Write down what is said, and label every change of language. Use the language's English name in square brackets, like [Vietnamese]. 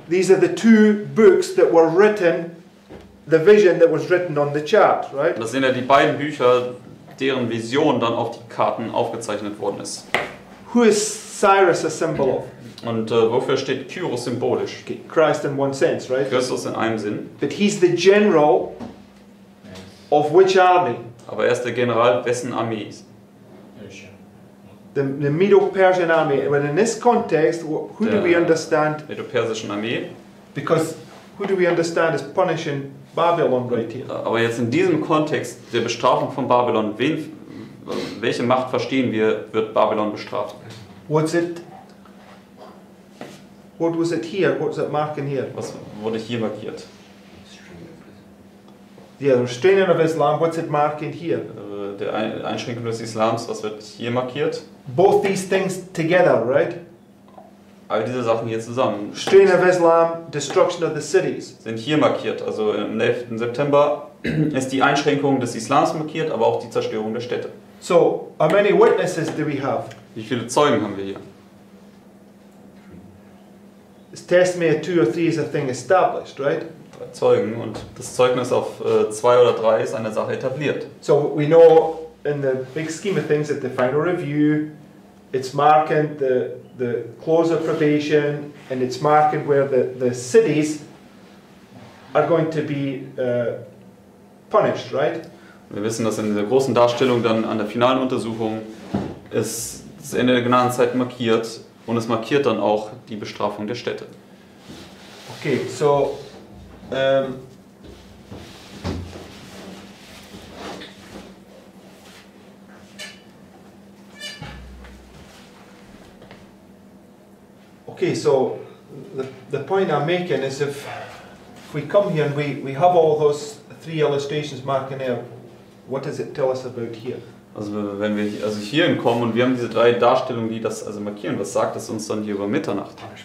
[English] These are the two books that were written, the vision that was written on the chart, right? [German] Das sind ja die beiden Bücher, deren Vision dann auf die Karten aufgezeichnet worden ist. [English] Who is Cyrus a symbol of? [German] Und wofür steht Kyros symbolisch? [English] Okay. Christ in one sense, right? [German] Christus in einem Sinn. [English] But he's the general of which army? [German] Aber er ist der General wessen Armee? Ist? [English] The Medo-Persian army. But in this context, who do we understand? [German] Medo-Persischen Armee. [English] Because who do we understand is punishing Babylon right here? [German] Aber jetzt in diesem Kontext der Bestrafung von Babylon, welche Macht verstehen wir, wird Babylon bestraft? [English] What's it? What was it here? What's it marking here? [German] Was wurde hier markiert? [English] Yeah, the restraining of Islam. What's it marking here? [German] Der Einschränkung des Islams. Was wird hier markiert? [English] Both these things together, right? [German] All diese Sachen hier zusammen. [English] Restraining of Islam, destruction of the cities. [German] Sind hier markiert. Also am 11. September ist die Einschränkung des Islams markiert, aber auch die Zerstörung der Städte. [English] So, how many witnesses do we have? [German] Wie viele Zeugen haben wir hier? [English] It's testimony of two or three is a thing established, right? [German] Zeugen und das Zeugnis auf zwei oder drei ist eine Sache etabliert. [English] So we know in the big scheme of things at the final review, it's marking the close of probation and it's marking where the cities are going to be punished, right? [German] Wir wissen, dass in der großen Darstellung dann an der finalen Untersuchung ist das Ende der Gnadenzeit markiert und es markiert dann auch die Bestrafung der Städte. [English] Okay, so okay, so the point I'm making is if we come here and we have all those three illustrations, Mark and Eric, what does it tell us about here? [German] Also wenn wir also hier hinkommen und wir haben diese drei Darstellungen, die das also markieren, was sagt das uns dann hier über Mitternacht?